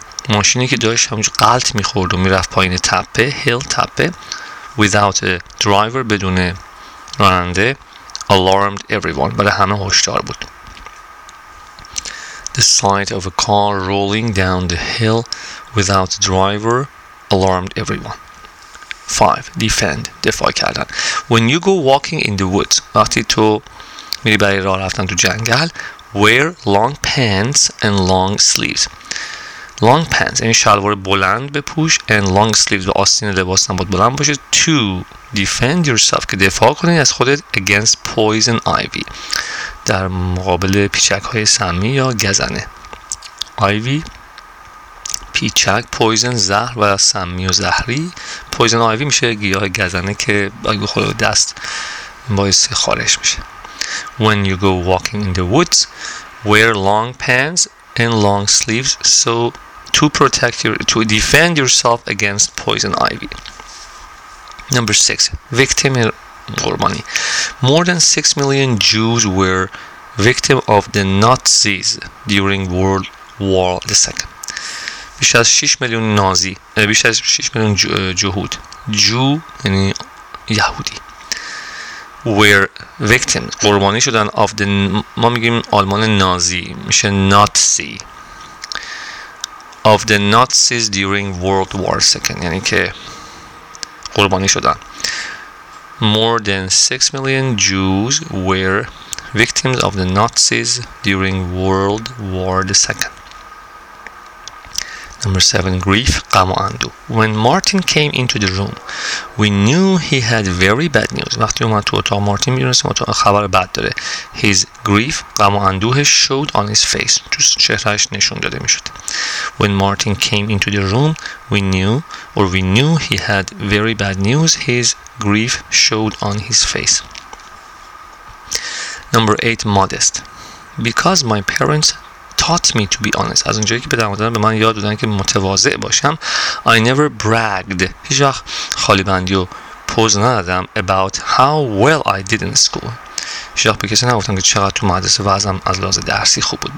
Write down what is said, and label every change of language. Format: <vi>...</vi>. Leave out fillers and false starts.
<fa>ماشینی که داشت همونجا غلط می‌خورد و می‌رفت پایین تپه، hill تپه</fa> <en>without a driver</en> <fa>بدون راننده</fa> <en>alarmed everyone.</en> <fa>برای همه هشدار بود.</fa> <en>The sight of a car rolling down the hill without a driver alarmed everyone. 5. Defend.</en> <fa>دفاع کردن.</fa> <en>When you go walking in the woods.</en> <fa>وقتی تو میری برای راه رفتن تو جنگل.</fa> <en>Wear long pants and long sleeves. Long pants.</en> <fa>این شلوار بلند بپوش.</fa> <en>And long sleeves.</en> <fa>و آستین لباس نباید بلند باشه.</fa> <en>To defend yourself.</en> <fa>که دفاع کنی از خودت.</fa> <en>Against poison ivy.</en> <fa>در مقابل پیچک های سمی یا گزنه.</fa> <en>Ivy.</en> <fa>پیچک، پویزن، زهر و سمی و زهری. پویزن آیوی میشه گیاه گزنه که اگه خود دست باعث خارش میشه.</fa> <en>When you go walking in the woods, wear long pants and long sleeves so to protect your, to defend yourself against poison ivy. Number 6. Victim قربانی. More than 6 million Jews were victim of the Nazis during World War II.</en> <fa>بیش از 6 میلیون نازی، بیش از 6 میلیون جهود، جو یعنی یهودی،</fa> <en>were victims،</en> <fa>قربانی شدن</fa> <en>of the,</en> <fa>ما میگیم آلمان نازی، میشه Nazi،</fa> <en>of the Nazis during World War II،</en> <fa>یعنی که قربانی شدن.</fa> <en>More than 6 million Jews were victims of the Nazis during World War II. Number 7. Grief.</en> <fa>غم و اندو.</fa> <en>When Martin came into the room, we knew he had very bad news.</en> <fa>وقتی اومد تو اتاق مارتین میدونستیم اتاق خبر بد داره.</fa> <en>His grief,</en> <fa>غم و اندوه</fa> <en>showed on his face.</en> <fa>تو چهرهش نشون داده میشد.</fa> <en>When Martin came into the room, we knew he had very bad news. His grief showed on his face. Number 8. Modest. Because my parents taught me to be honest.</en> <fa>از اونجایی که پدرم به من یاد دادن که متواضع باشم.</fa> <en>I never bragged.</en> <fa>هیچ وقت خالی بندی و پوز ندادم</fa> <en>about how well I did in school.</en> <fa>هیچ وقت به کسی نگفتم که چقدر تو مدرسه وضعم از لحاظ درسی خوب بود.</fa>